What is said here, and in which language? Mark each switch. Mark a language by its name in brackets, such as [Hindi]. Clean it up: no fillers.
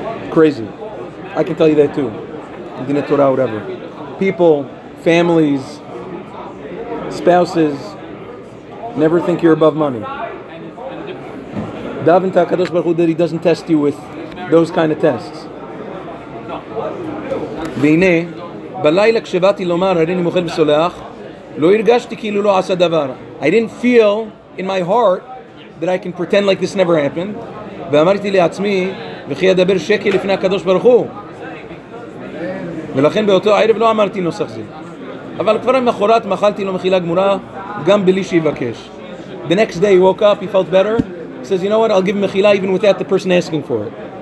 [English] Crazy. I can tell you that too. Dinei Torah, whatever. People, families, spouses, never think you're above money. Daven to HaKadosh Baruch Hu that he doesn't test you with those kind of tests. Vine. [Hebrew] בלילה כשבאתי לומר הריני מוכן וסולח לא הרגשתי כאילו לא עשה דבר. [English] I didn't feel in my heart that I can pretend like this never happened. [Hebrew] ואמרתי לעצמי וכי אדבר שקל לפני הקדוש ברוך הוא. ולכן באותו ערב לא אמרתי נוסח זה. אבל כבר המחורת מחלתי לו מחילה גמורה גם בלי שיבקש. [English] The next day he woke up, he felt better. He says, you know what, I'll give him מחילה even without the person asking for it.